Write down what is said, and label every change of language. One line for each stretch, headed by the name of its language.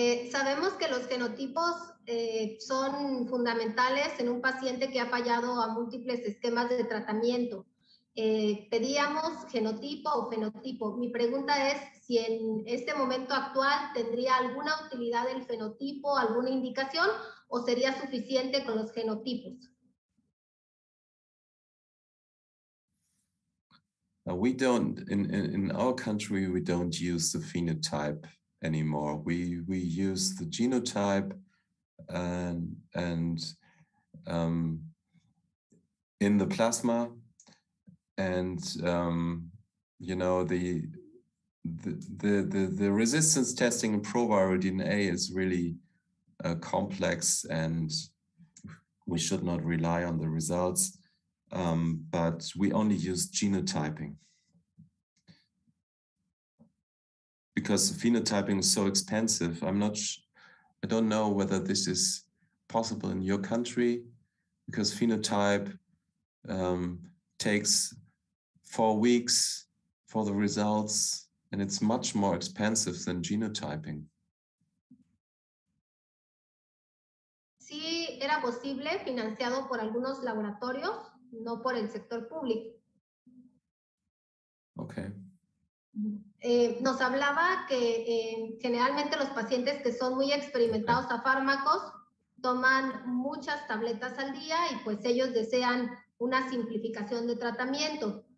Spanish: Sabemos que los genotipos son fundamentales en un paciente que ha fallado a múltiples esquemas de tratamiento. pedíamos genotipo o fenotipo. Mi pregunta es si en este momento actual tendría alguna utilidad el fenotipo, alguna indicación, o sería suficiente con los genotipos.
English: We don't, in our country, we don't use the phenotype anymore. We use the genotype, and in the plasma, and you know, the resistance testing in proviral DNA is really complex, and we should not rely on the results. But we only use genotyping because phenotyping is so expensive. I don't know whether this is possible in your country, because phenotype takes 4 weeks for the results, and it's much more expensive than genotyping.
Spanish: Sí, era posible, financiado por algunos laboratorios, no por el sector público.
English: Okay.
Spanish: Nos hablaba que generalmente los pacientes que son muy experimentados a fármacos toman muchas tabletas al día, y pues ellos desean una simplificación de tratamiento.